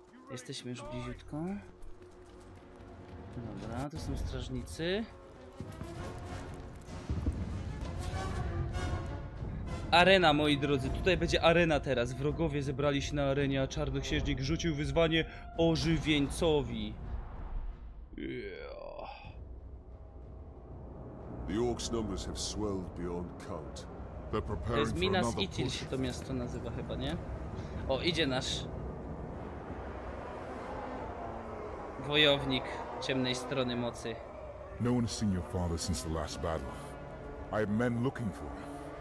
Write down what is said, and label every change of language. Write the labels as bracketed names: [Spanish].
[Polish] Jesteśmy już bliziutko. Dobra, tu są strażnicy. Arena, moi drodzy, tutaj będzie arena teraz. Wrogowie zebrali się na arenie, a czarnoksiężnik rzucił wyzwanie ożywieńcowi. [English] The orcs' numbers have swelled beyond count. They're preparing for another push. [Polish] To jest Minas Ithil się to miasto nazywa chyba, nie? O, idzie nasz wojownik ciemnej strony mocy. [English] No one has seen your father since the last battle. I have men looking for him.